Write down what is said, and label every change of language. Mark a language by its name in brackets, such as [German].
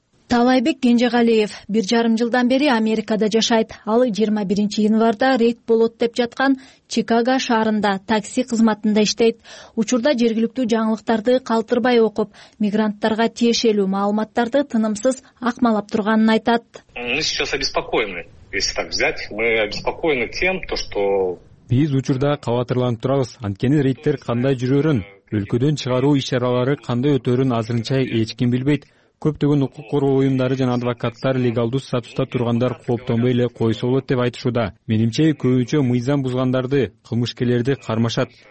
[Kyrgyz] Талайбек Кенжегалиев 1.5 жылдан бери Америкада жашайт. Ал 21 январда рейд болот деп жаткан Чикаго шаарында такси кызматында иштейт. Учурда жергиликтүү жаңылыктарды калтырбай окуп, мигранттарга тиешелүү маалыматтарды тынымсыз акмалап турганын айтат. [Russian] Мы сейчас обеспокоены. Если так взять, мы обеспокоены тем, что [Kyrgyz] биз учурда кабатырланып турабыз. Анткени рейдтер кандай жүрөрүн, өлкөдөн чыгаруу иш-чаралары кандай өтөрүн азырынча эч ким билбейт. Көптөгөн укук коргоо уюмдары жана адвокаттар легалдуу статуста тургандар кооптонбой эле койсо болот деп айтышууда. Менимче, көбүнчө мыйзам бузгандарды, кылмышкерлерди кармашат.